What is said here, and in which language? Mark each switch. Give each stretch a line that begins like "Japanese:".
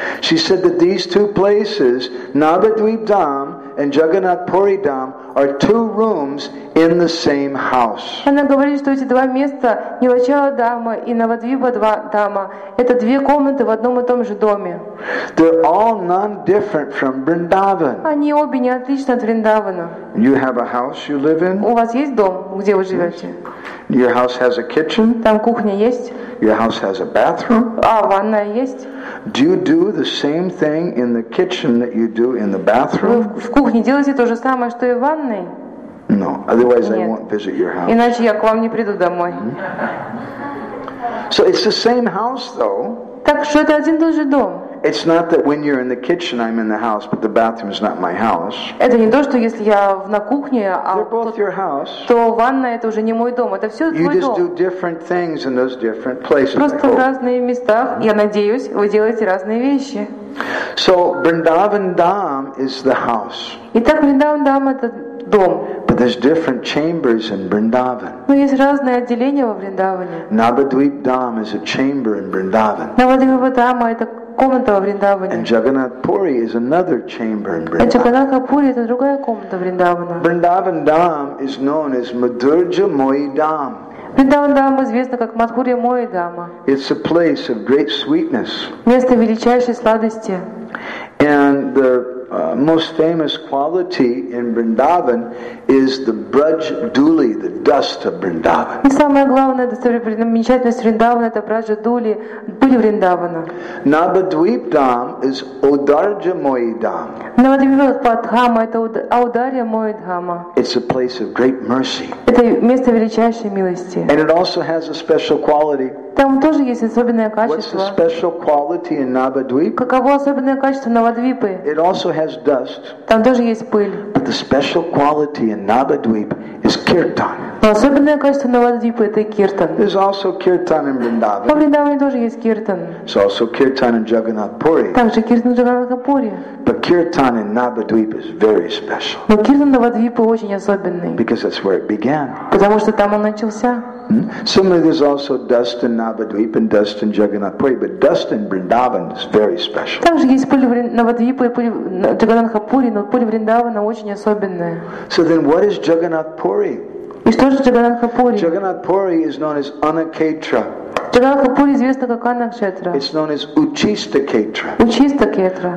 English: She said that these two places, Navadvip Dham and Jagannath Puri Dham, are two rooms in the same house.
Russian: Она говорит, что эти два места, Нилачала Дама и Навадвипа Дама, это две комнаты в одном и том же доме.
English: They're all non-different from Vrindavan.
Russian: Они обе не отличны от Вриндавана.
English: You have a house you live in?
Russian: У вас есть дом, где вы живете?
English: Your house has a kitchen?
Russian: Там кухня есть?
English: Your house has a bathroom?
Russian: А, ванная есть?
English: Do you do the same thing in the kitchen that you do in the bathroom?
Russian: Вы в кухне делаете то же самое, что и в ванной?
English: No, otherwise I won't visit your house.
Russian: Иначе я к вам не приду домой. Mm-hmm.
English: So it's the same house though.
Russian: Так что это один и тот же дом.
English: It's not that when you're in the kitchen, I'm in the house, but the bathroom is not my house.
Russian: Это не то, что если я на кухне, а то ванная это уже не мой дом. Это все твой дом.
English: You just do different things in those different places.
Russian: Просто в разные места. Я надеюсь, вы делаете разные вещи.
English: So Vrindavan Dham is the house.
Russian: Итак, Vrindavan Dham это дом.
English: But there's different chambers in Vrindavan.
Russian: Но есть разные отделения во Вриндаване.
English: Navadvip Dham is a chamber in Vrindavan.
Russian: Navadvipa Dham это комната во Вриндаване.
English: And Jagannath Puri is another chamber in Vrindavan.
Russian: Джаганатхапури это другая комната Вриндавана.
English: Vrindavan Dham is known as Madhurya Moyi Dham.
Russian: Vrindavan Dham известно как Madhurya Moyi Dham.
English: It's a place of great sweetness.
Russian: Место величайшей сладости.
English: And the most famous quality in Vrindavan is the Braj Duli, the dust of Vrindavan.
Russian: И самое главное достопримечательность Вриндавана это Браджа Дули, пыль Вриндавана.
English: Navadvip Dham is Audarja Moyi Dham.
Russian: Navadvipa Dham это Audarja Moyi Dham.
English: It's a place of great mercy.
Russian: Это место величайшей милости.
English: And it also has a special quality.
Russian: Там тоже есть особенное качество.
English: What's the special quality in Navadvip?
Russian: Каково особенное качество Навадвипы?
English: It also has dust.
Russian: Там тоже есть пыль.
English: But the special quality in Navadvip is kirtan.
Russian: Но особенное качество Навадвипы это киртан.
English: There's also kirtan in Vrindavan.
Russian: Во Вриндаване тоже есть киртан.
English: There's also kirtan in Jagannath Puri.
Russian: Там же киртан Джаганатхапури.
English: But kirtan in Navadvip is very special.
Russian: Но киртан Навадвипы очень особенный.
English: Because that's where it began.
Russian: Потому что там он начался.
English: Similarly, there's also dust in Navadvip and dust in Jagannath Puri, but dust in Vrindavan is very special.
Russian: Также есть пыль в Навадвипе и пыль в Джаганатхапури, но пыль Вриндавана очень особенная.
English: So then, what is Jagannath Puri?
Russian: И что же Джаганатхапури?
English: Jagannath Puri is known as Anakshetra.
Russian: Джаганатхапури известно как Анакшетра.
English: It's known as Uchistaketra.
Russian: Uchistaketra.